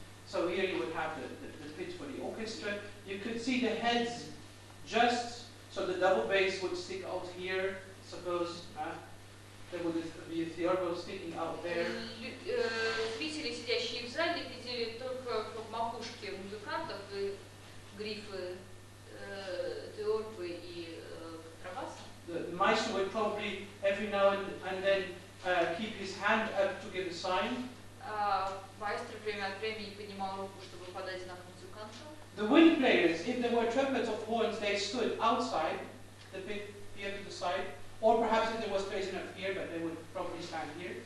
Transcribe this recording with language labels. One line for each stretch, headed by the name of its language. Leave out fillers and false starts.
English: So here you would have the pitch for the orchestra. You could see the heads just. So the double bass would stick out here, suppose, there would be a theorbo sticking out there.
Russian: Зрители, сидящие в зале, видели только в макушке музыкантов и грифы теорбы и контрабаса.
English: The maestro would probably every now and then keep his hand up to give a sign.
Russian: Маэстро время от времени поднимал руку, чтобы подать знак музыканту.
English: The wind players, if there were trumpets or horns, they stood outside the pit, here to the side, or perhaps if there was space enough here, but they would probably stand here.